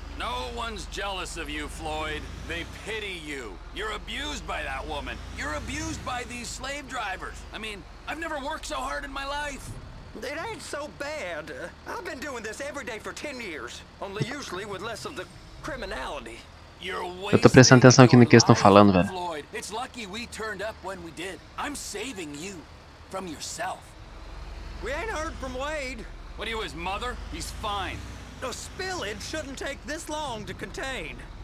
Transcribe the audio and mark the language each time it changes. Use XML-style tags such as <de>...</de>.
<en>No one's jealous of you, Floyd. They pity you. You're abused by that woman. You're abused by these slave drivers. I mean, I've never worked so hard in my life. It ain't so bad. I've been doing this every day for 10 years, only usually with less of the criminality.</en> <pt>Eu tô prestando atenção aqui no que eles estão falando, velho.</pt> <en>Floyd, it's lucky we turned up when we did. I'm saving you from yourself. We ain't heard from Wade. What are you, his mother? He's fine. A spillage shouldn't take this long to contain.</en>